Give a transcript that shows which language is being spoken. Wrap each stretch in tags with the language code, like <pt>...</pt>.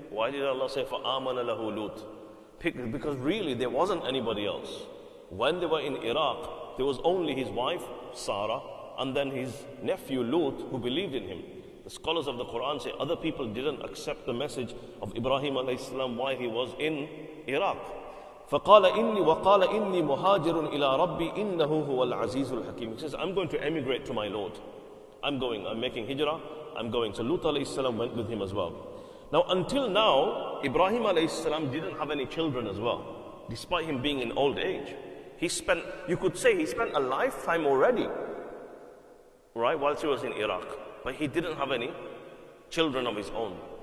<en>Why did Allah say,</en> <ar>فَآمَنَ لَهُ لُوت?</ar> <en>Because really, there wasn't anybody else. When they were in Iraq, there was only his wife, Sarah, and then his nephew, Lut, who believed in him. The scholars of the Quran say other people didn't accept the message of Ibrahim alayhi salam while he was in Iraq.</en> <ar>فَقَالَ إِنِّي وَقَالَ إِنِّي مُهَاجِرٌ إِلَىٰ رَبِّي إِنَّهُ هُوَ الْعَزِيزُ الْحَكِيمُ.</ar> <en>He says, I'm going to emigrate to my Lord. I'm going, I'm making hijrah, I'm going. So Lut alayhi salam went with him as well. Now until now, Ibrahim alayhi salam didn't have any children as well, despite him being in old age. He spent a lifetime already, right, whilst he was in Iraq, but he didn't have any children of his own.</en>